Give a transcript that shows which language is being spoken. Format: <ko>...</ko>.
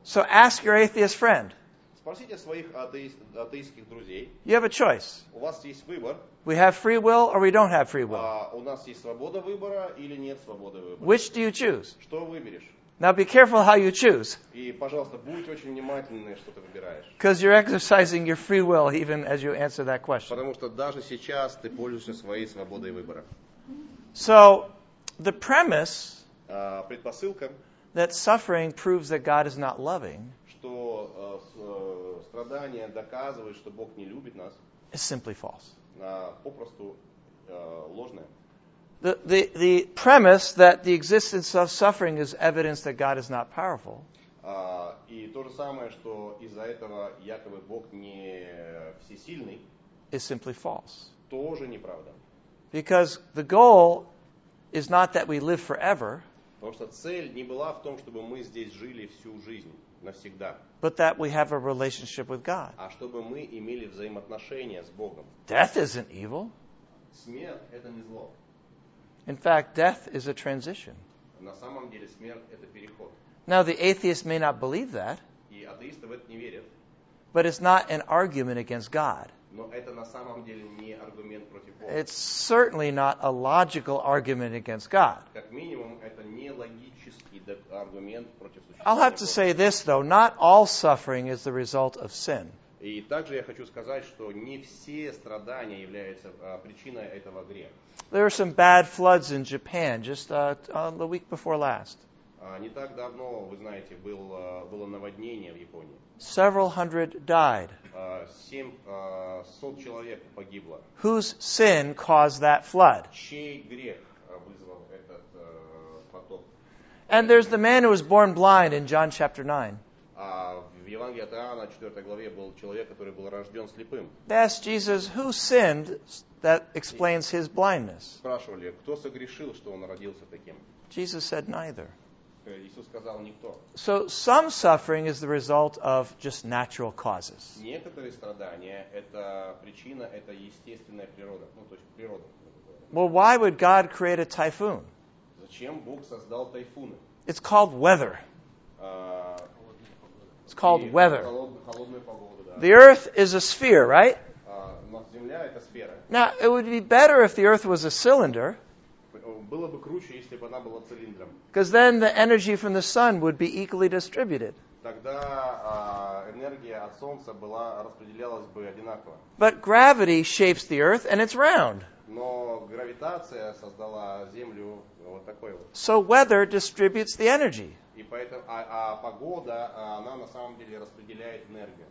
<en>So ask your atheist friend.</en> <ru>Спросите своих атеистских друзей.</ru> <en>You have a choice.</en> <ru>У вас есть выбор.</ru> <en>We have free will or we don't have free will.</en> <ru>У нас есть свобода выбора или нет свободы выбора.</ru> <en>Which do you choose?</en> <ru>Что выберешь?</ru> <en>Now be careful how you choose.</en> <ru>И, пожалуйста, будьте очень внимательны, что ты выбираешь.</ru> <en>Because you're exercising your free will even as you answer that question.</en> <ru>Потому что даже сейчас ты пользуешься своей свободой выбора.</ru> <en>So, the premise</en> <ru>предпосылка</ru> <en>that suffering proves that God is not loving</en> <ru>что страдания доказывают, что Бог не любит нас,</ru> <en>is simply false.</en> <ru>Попросту ложное.</ru> <en>the premise that the existence of suffering is evidence that God is not powerful.</en> <ru>И то же самое, что из-за этого якобы Бог не всесильный.</ru> <en>Is simply false.</en> <ru>Тоже неправда.</ru> <en>Because the goal is not that we live forever.</en> <ru>Потому что цель не была в том, чтобы мы здесь жили всю жизнь навсегда.</ru> <en>But that we have a relationship with God.</en> <ru>А чтобы мы имели взаимоотношения с Богом.</ru> <en>Death isn't evil.</en> <ru>Смерть это не зло.</ru> <en>In fact, death is a transition.</en> <ru>На самом деле смерть это переход.</ru> <en>Now the atheist may not believe that.</en> <ru>И атеисты в это не верят.</ru> <en>But it's not an argument against God.</en> <ru>Но это на самом деле не аргумент против Бога.</ru> <en>It's certainly not a logical argument against God.</en> <ru>Как минимум, это не логический аргумент против существа.</ru> <en>I'll have to say this though, not all suffering is the result of sin.</en> <ru>И также я хочу сказать, что не все страдания являются причиной этого греха.</ru> <en>There are some bad floods in Japan just the week before last.</en> <ru>Не так давно, вы знаете, было наводнение в Японии.</ru> <en>Several hundred died.</en> <ru>700 человек погибло.</ru> <en>Whose sin caused that flood?</en> <ru>Чей грех вызвал этот поток?</ru> <en>And there's the man who was born blind in John chapter 9.</en> <ru>В Евангелии от Иоанна, 4 главе, был человек, который был рожден слепым.</ru> <en>They asked Jesus, who sinned that explains his blindness?</en> <ru>Спрашивали, кто согрешил, что он родился таким?</ru> <en>Jesus said, neither.</en> <ru>Иисус сказал, никто.</ru> <en>So some suffering is the result of just natural causes.</en> <ru>Некоторые страдания это причина, это естественная природа, ну то есть природа.</ru> <en>Well, why would God create a typhoon?</en> <ru>Зачем Бог создал тайфуны?</ru> <en>It's called weather. It's called weather.</en> <ru>Холодная погода, да.</ru> <en>The earth is a sphere, right?</en> <ru>Земля это сфера.</ru> <en>Now it would be better if the earth was a cylinder.</en> <ru>Было бы круче, если бы она была цилиндром.</ru> <en>Because then the energy from the sun would be equally distributed.</en> <ru>Тогда энергия от солнца была распределялась бы одинаково.</ru> <en>But gravity shapes the earth and it's round.</en> <ru>Но гравитация создала землю вот такой вот.</ru> <en>So weather distributes the energy.</en> <ru>И поэтому а погода она на самом деле распределяет энергию.</ru>